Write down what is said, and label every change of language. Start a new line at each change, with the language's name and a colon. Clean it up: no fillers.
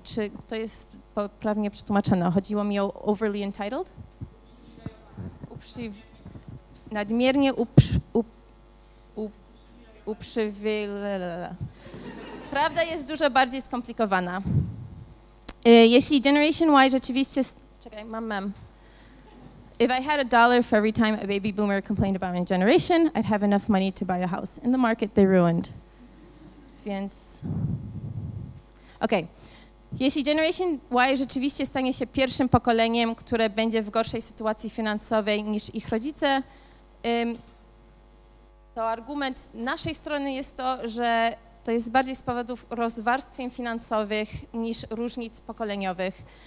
Polish: Czy to jest poprawnie przetłumaczone? Chodziło mi o
English: overly entitled?
Polish: Nadmiernie uprzywilejowani. Prawda jest dużo bardziej skomplikowana. Jeśli Generation Y rzeczywiście... Czekaj, mam.
English: If I had a dollar for every time a baby boomer complained about my generation, I'd have enough money to buy a house. In the market, they ruined.
Polish: Więc... Okej. Okay. Jeśli Generation Y rzeczywiście stanie się pierwszym pokoleniem, które będzie w gorszej sytuacji finansowej niż ich rodzice, to argument naszej strony jest to, że to jest bardziej z powodów rozwarstwień finansowych niż różnic pokoleniowych.